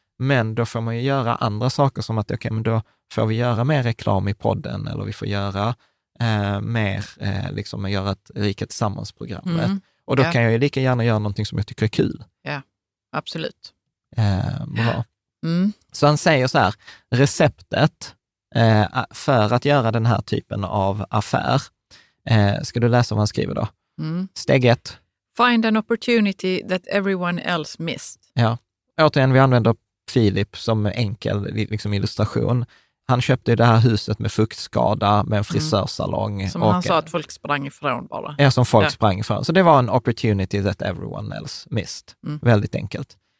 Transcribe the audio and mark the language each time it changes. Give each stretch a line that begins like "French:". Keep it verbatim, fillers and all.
Swedish: Men då får man ju göra andra saker som att okay, men då får vi göra mer reklam i podden eller vi får göra eh, mer, eh, liksom göra ett Rika Tillsammans-programmet. Mm. Och då ja. kan jag ju lika gärna göra någonting som jag tycker är kul. Ja, absolut. Eh, bra. Mm. Så han säger så här, receptet eh, för att göra den här typen av affär, eh, ska du läsa vad han skriver då? Mm. Steg ett.
English: Find an opportunity that everyone else missed.
Swedish: Ja, återigen vi använder Filip som enkel liksom, illustration. Han köpte det här huset med fuktskada, med en frisörsalong. Mm. Som och, han sa att folk sprang ifrån bara. Ja, som folk ja. sprang ifrån. Så det var en opportunity that everyone else missed. Mm. Väldigt enkelt.